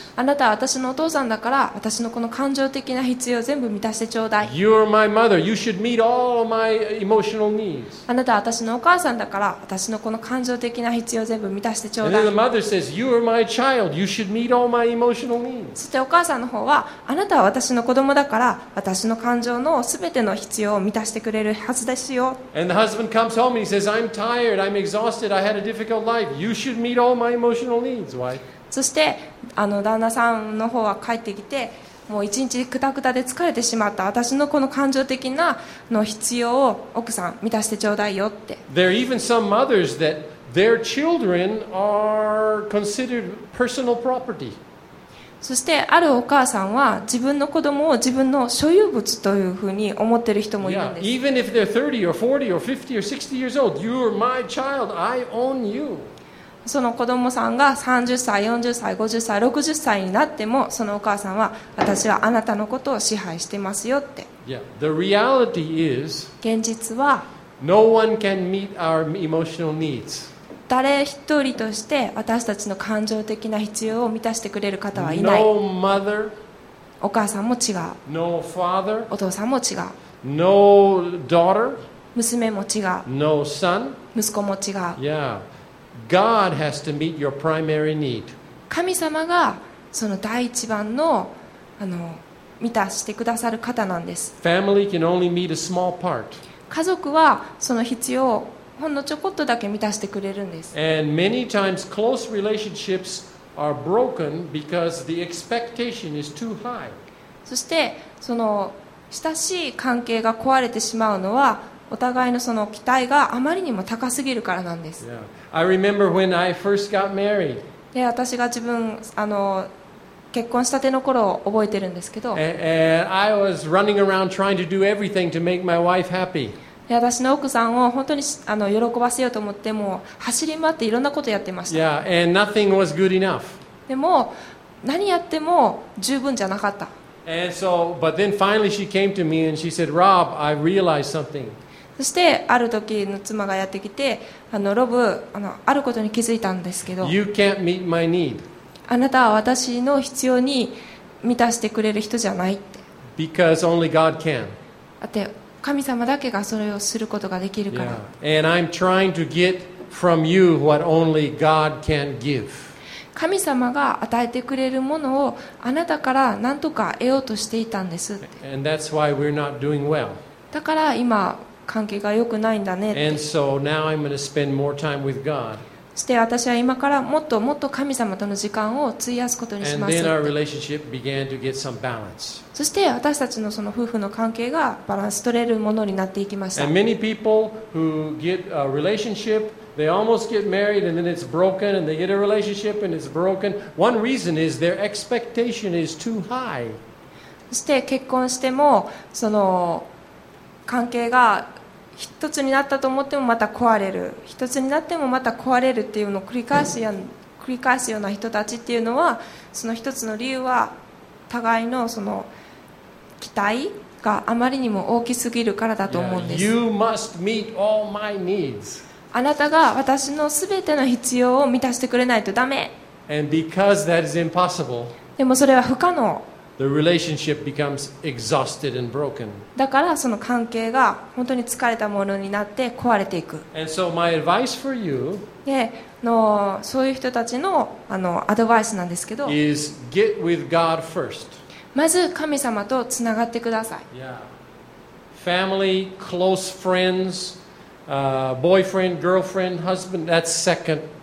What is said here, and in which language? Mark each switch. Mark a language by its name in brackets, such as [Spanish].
[Japanese] あなたは私のお父さんだから、私のこの感情的な必要を全部満たしてちょうだい。 [English] You're my mother. You should meet all my emotional needs. [Japanese] あなたは私のお母さんだから、私のこの感情的な必要を全部満たしてちょうだい。 [English] And then the mother says, "You're my child. You should meet all my emotional needs." [Japanese] そしてお母さんの方は、あなたは私の子供だから、私の感情のすべての必要を満たしてくれるはずですよ。 [English] And the husband comes home and he says, "I'm tired. I'm exhausted. I had a difficult life. You should meet." All my emotional needs, why? [Japanese] そしてあの旦那さんの方は帰ってきて、もう一日クタクタで疲れてしまった私のこの感情的なの必要を奥さん満たしてちょうだいよって。 [English] There are even some mothers that their children are considered personal property. [Japanese] そしてあるお母さんは自分の子供を自分の所有物というふうに思ってる人もいるんです。 [English] Yeah, even if they're 30 or 40 or 50 or 60 years old, you're my child. I own you. [Japanese] その子供さんが30歳、40歳、50歳、60歳になっても、そのお母さんは私はあなたのことを支配してますよって。 [English] Yeah. The reality is, [Japanese] 現実は、 [English] no one can meet our emotional needs. [Japanese] 誰一人として私たちの感情的な必要を満たしてくれる方はいない。 [English] No mother, [Japanese] お母さんも違う。 [English] No father, [Japanese] お父さんも違う。 [English] No daughter, [Japanese] 娘も違う。 [English] No son, [Japanese] 息子も違う。 [English] Yeah. God has to meet your primary need. [Japanese] 神様がその第一番の、あの、満たしてくださる方なんです。 [English] Family can only meet a small part. [Japanese] 家族はその必要をほんのちょこっとだけ満たしてくれるんです。 [English] And many times close relationships are broken because the expectation is too high. [Japanese] そしてその親しい関係が壊れてしまうのはお互いのその期待があまりにも高すぎるからなんです。 [English] Yeah. I remember when I first got married. [Japanese] で、私が自分あの結婚したての頃を覚えてるんですけど。 [English] I was running around trying to do everything to make my wife happy. [Japanese] で、私の奥さんを本当にあの喜ばせようと思っても走り回っていろんなことやってました。 [English] Yeah. And nothing was good enough. [Japanese] でも何やっても十分じゃなかった。 [English] And so, but then finally she came to me and she said, "Rob, I realized something." [Japanese] そしてある時の妻がやってきて、あのロブ、あの、あることに気づいたんですけど、 [English] You can't meet my need. [Japanese] あなたは私の必要に満たしてくれる人じゃないって。 [English] Because only God can. [Japanese] だって神様だけがそれをすることができるから。 [English] Yeah. And I'm trying to get from you what only God can give. [Japanese] 神様が与えてくれるものをあなたから何とか得ようとしていたんですって。 [English] And that's why we're not doing well. [Japanese] だから今関係が良くないんだねって。 [English] And so now I'm going to spend more time with God. [Japanese] そして私は今からもっともっと神様との時間を費やすことにしますって。 [English] And then our relationship began to get some balance. [Japanese] そして私たちのその夫婦の関係がバランス取れるものになっていきました。 [English] And many people who get a relationshipThey almost get married and then it's broken and they get a relationship and it's broken. One reason is their expectation is too high. [Japanese] そして結婚してもその関係が一つになったと思ってもまた壊れる。一つになってもまた壊れるっていうのを繰り返すような人たちっていうのはその一つの理由は互いのその期待があまりにも大きすぎるからだと思うんです。 [English] Yeah, you must meet all my needs. [Japanese] あなたが私のすべての必要を満たしてくれないとダメ。 [English] And because that is impossible, [Japanese] でもそれは不可能。 [English] The relationship becomes exhausted and broken. [Japanese] だからその関係が本当に疲れたものになって壊れていく。 [English] And so my advice for you, [Japanese] でのそういう人たちの、あのアドバイスなんですけど、 [English] is get with God first. [Japanese] まず神様とつながってください。 [English] Yeah. Family, close friends,boyfriend, girlfriend, husband, that's second.